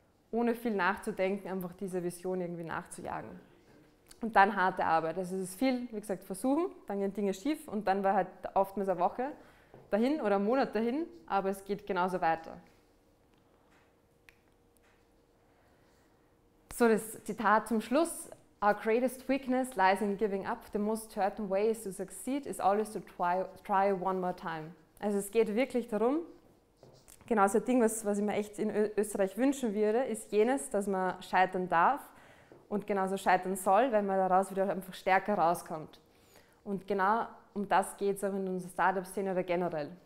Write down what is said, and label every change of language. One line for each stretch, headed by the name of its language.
German: ohne viel nachzudenken, einfach dieser Vision irgendwie nachzujagen. Und dann harte Arbeit. Also es ist viel, wie gesagt, versuchen, dann gehen Dinge schief und dann war halt oftmals eine Woche dahin oder einen Monat dahin, aber es geht genauso weiter. So, das Zitat zum Schluss.
English: Our greatest weakness lies in giving up. The most certain way is to succeed is always to try one more time.
German: Also es geht wirklich darum, genau so ein Ding, was ich mir echt in Österreich wünschen würde, ist jenes, dass man scheitern darf und genauso scheitern soll, wenn man daraus wieder einfach stärker rauskommt. Und genau um das geht es auch in unserer Startup-Szene oder generell.